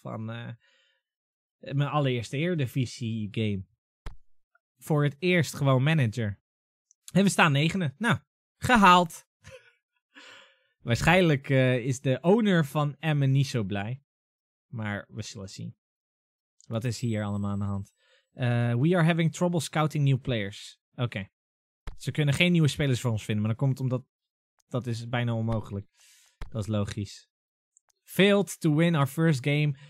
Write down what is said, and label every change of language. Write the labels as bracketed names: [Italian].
[Dutch] Van mijn allereerste Eredivisie-game. Voor het eerst gewoon manager. En we staan 9e. Nou, gehaald. Waarschijnlijk is de owner van Emmen niet zo blij. Maar we zullen zien. Wat is hier allemaal aan de hand? [English] We are having trouble scouting new players. [Dutch] Oké. Ze kunnen geen nieuwe spelers voor ons vinden. Maar dat komt omdat dat is bijna onmogelijk. Dat is logisch. [English] Failed to win our first game.